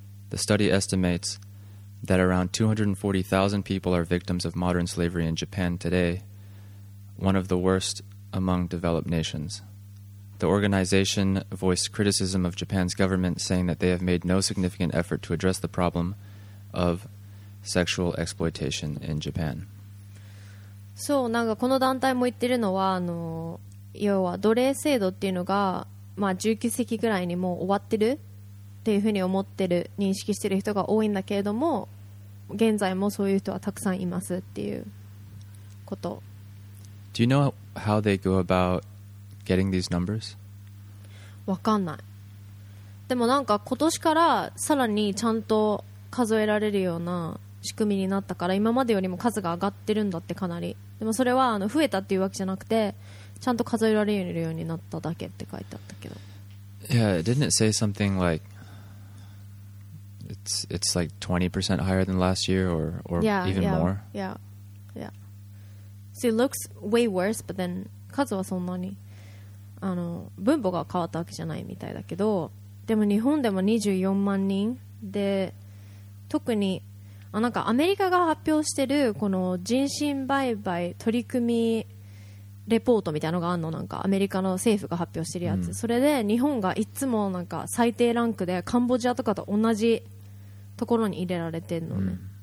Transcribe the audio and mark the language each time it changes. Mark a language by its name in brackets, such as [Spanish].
[English] The study estimates that around 240,000 people are victims of modern slavery in Japan today, one of the worstAmong developed nations. The organization voiced criticism of Japan's government, saying that they have made no significant effort to address the problem of sexual exploitation in Japan. [Japanese] そう、なんかこの団体も言ってるのは、要は奴隷制度っていうのが、まあ、19世紀ぐらいにもう終わってるっていうふうに思ってる、認識してる人が多いんだけれども、現在もそういう人はたくさんいますっていうこと。 [English] Do you know how they go about getting these numbers? [Japanese] わかんない。でもなんか今年からさらにちゃんと数えられるような仕組みになったから、今までよりも数が上がってるんだって、かなり。でもそれは増えたっていうわけじゃなくて、ちゃんと数えられるようになっただけって書いてあったけど。 [English] Yeah, didn't it say something like it's like 20% higher than last year or yeah, even yeah, more? Yeah, yeah. So it looks way worse, but then [Japanese] 数はそんなに分母が変わったわけじゃないみたいだけど、でも日本でも24万人で、特に、なんかアメリカが発表してるこの人身売買取り組みレポートみたいなのがあるの、なんかアメリカの政府が発表してるやつ、うん、それで日本がいつもなんか最低ランクで、カンボジアとかと同じところに入れられてるのね、うん。